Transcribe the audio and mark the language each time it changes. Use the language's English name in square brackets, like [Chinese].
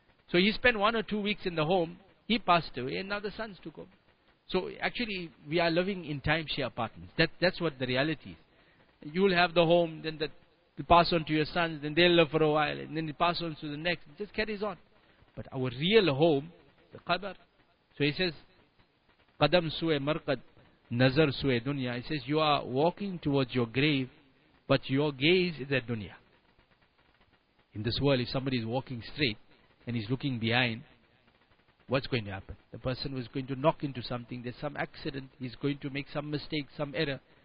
[English] So he spent 1 or 2 weeks in the home, he passed away, and now the sons took over. So actually, we are living in timeshare apartments. That's what the reality is. You'll have the home, then the pass on to your sons, then they'll live for a while, and then they pass on to the next. It just carries on. But our real home, the qabr. So he says, [Urdu] قدم سوئے مرقد نظر سوئے دنیا. [English] He says, you are walking towards your grave, but your gaze is at dunya. In this world, if somebody is walking straight, and he's looking behind, what's going to happen? The person was going to knock into something. There's some accident. He's going to make some mistake, some error.